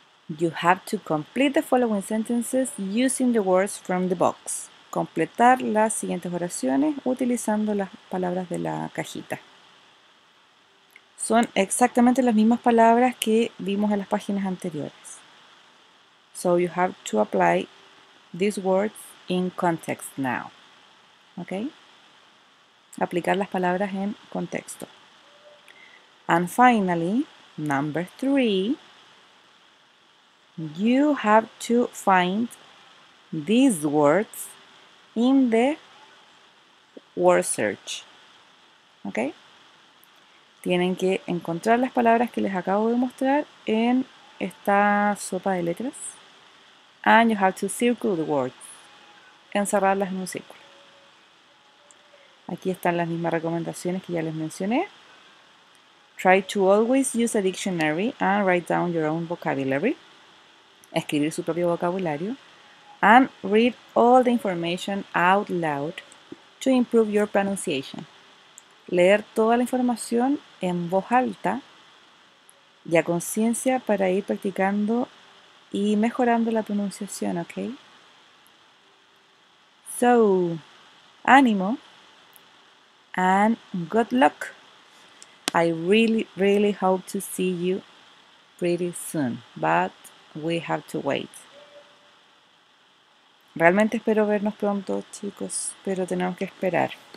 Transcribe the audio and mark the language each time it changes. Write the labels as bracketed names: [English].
[English] You have to complete the following sentences using the words from the box. [Spanish] Completar las siguientes oraciones utilizando las palabras de la cajita. Son exactamente las mismas palabras que vimos en las páginas anteriores. [English] So you have to apply these words in context now. ¿Ok? [Spanish] Aplicar las palabras en contexto. [English] And finally, number three. You have to find these words in the word search. ¿Ok? [Spanish] Tienen que encontrar las palabras que les acabo de mostrar en esta sopa de letras. [English] And you have to circle the words. [Spanish] Encerrarlas en un círculo. Aquí están las mismas recomendaciones que ya les mencioné. [English] Try to always use a dictionary and write down your own vocabulary. [Spanish] Escribir su propio vocabulario. [English] And read all the information out loud to improve your pronunciation. [Spanish] Leer toda la información en voz alta y a conciencia para ir practicando y mejorando la pronunciación, ¿ok? [English] So, ánimo and good luck. I really, really hope to see you pretty soon, but we have to wait. [Spanish] Realmente espero vernos pronto, chicos, pero tenemos que esperar.